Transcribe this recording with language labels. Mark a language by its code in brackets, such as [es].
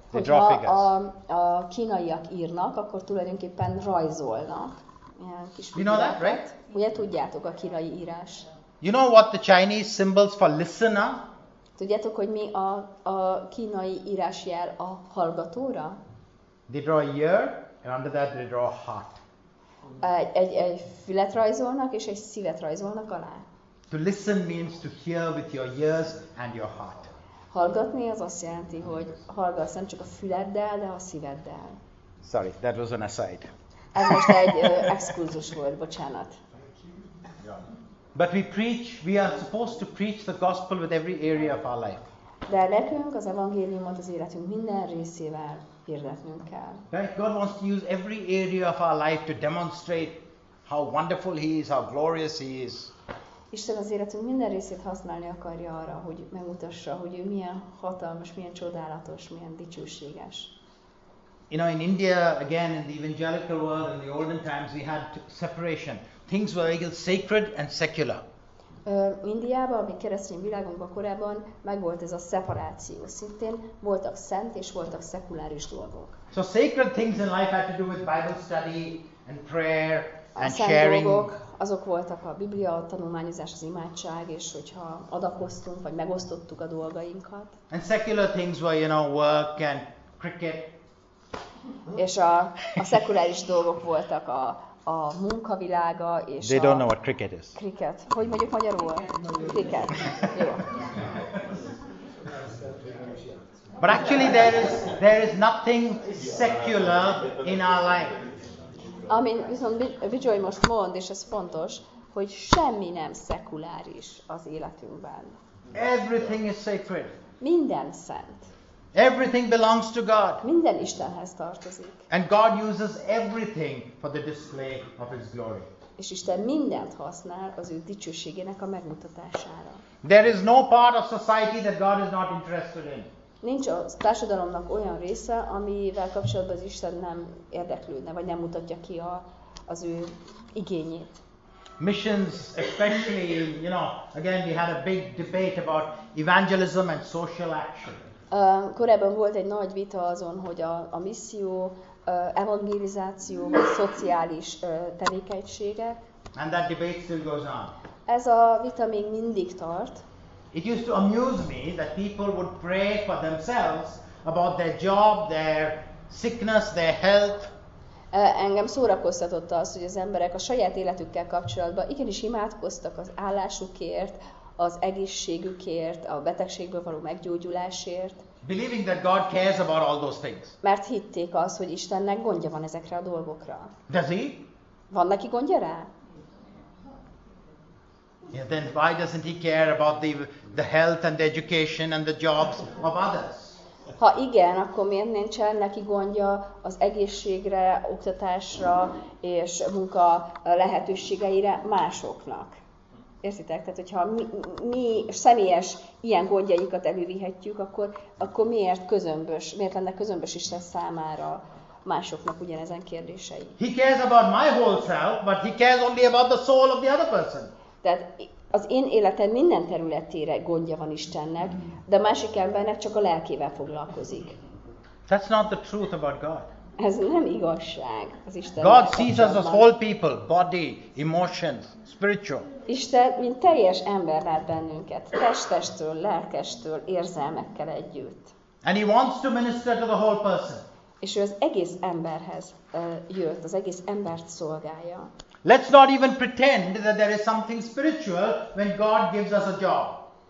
[en] They draw figures. [hu] Hogyha a kínaiak írnak, akkor tulajdonképpen rajzolnak. [en] You know that, right? [hu] Ugye tudjátok a kínai írás? [en] You know what the Chinese symbols for listener? [hu] Tudjátok, hogy mi a kínai írásjel a hallgatóra? [en] They draw a ear, and under that they draw a heart. [hu] Egy fület rajzolnak, és egy szívet rajzolnak alá. [en] To listen means to hear with your ears and your heart. [hu] Hallgatni az azt jelenti, hogy hallgatsz nem csak a füleddel, de a szíveddel. [en] Sorry, that was an aside. [hu] Ez most egy exkurzus volt, bocsánat. [en] But we preach, we are supposed to preach the gospel with every area of our life. [hu] De nekünk az evangéliumot az életünk minden részével hirdetnünk kell. [en] Right? God wants to use every area of our life to demonstrate how wonderful He is, how glorious He is. [hu] Isten az életünk minden részét használni akarja arra, hogy megmutassa, hogy ő milyen hatalmas, milyen csodálatos, milyen dicsőséges. [en] You know, in India, again, in the evangelical world, in the olden times, we had separation. Things were either sacred and secular. [hu] Indiában, a keresztény világunkban korábban megvolt ez a szeparáció. Szintén voltak szent és voltak szekuláris dolgok. [en] So sacred things in life had to do with Bible study and prayer and [hu] a szent [en] sharing. [hu] Dolgok, azok voltak a Biblia tanulmányozás, az imádság, és hogyha adakoztunk vagy megosztottuk a dolgainkat. [en] And secular things were, you know, work and cricket. [hu] És a szekuláris dolgok voltak a munkavilága és [en] they don't know what cricket is. [hu] Cricket. Hogy mondjuk magyarul? Cricket. Jó. [en] But actually there is nothing secular in our life. [hu] Amin viszont Vijay most mond, és ez fontos, hogy semmi nem szekuláris az életünkben. [en] Everything is sacred. [hu] Minden szent. [en] Everything belongs to God. [hu] Minden Istenhez tartozik. [en] And God uses everything for the display of His glory. [hu] És Isten mindent használ az ő dicsőségének a megmutatására. [en] There is no part of society that God is not interested in. [hu] Nincs a társadalomnak olyan része, amivel kapcsolatban az Isten nem érdeklődne, vagy nem mutatja ki az ő igényét. [en] Missions, especially, you know, again we had a big debate about evangelism and social action. [hu] Korábban volt egy nagy vita azon, hogy a misszió, evangelizáció, vagy szociális tevékenységek. [en] And that debate still goes on. [hu] Ez a vita még mindig tart. [en] It used to amuse me that people would pray for themselves about their job, their sickness, their health. [hu] Engem szórakoztatott az, hogy az emberek a saját életükkel kapcsolatban igenis imádkoztak az állásukért, az egészségükért, a betegségből való meggyógyulásért. [en] Believing that God cares about all those things. [hu] Mert hitték azt, hogy Istennek gondja van ezekre a dolgokra. [en] Does he? [hu] Van neki gondja rá? [en] Yeah, then why doesn't he care about the health and the education and the jobs of others? [hu] Ha igen, akkor miért nincsen neki gondja az egészségre, oktatásra és munka lehetőségeire másoknak? Értitek? Tehát, hogyha mi személyes ilyen gondjainkat elővihetjük, akkor miért közömbös, miért lenne közömbös Isten számára másoknak ugyanezen kérdései? [en] He cares about my whole self, but he cares only about the soul of the other person. [hu] Tehát az én életem minden területére gondja van Istennek, de a másik embernek csak a lelkével foglalkozik. [en] That's not the truth about God. [hu] Ez nem igazság az Isten. [en] God sees us as whole people, body, emotions, spiritual. [hu] Isten, mint teljes ember lát bennünket, testestől, lelkestől, érzelmekkel együtt. [en] And he wants to minister to the whole person. [hu] És ő az egész emberhez jött, az egész embert szolgálja. [en] Let's not even pretend that there is something spiritual when God gives us a job.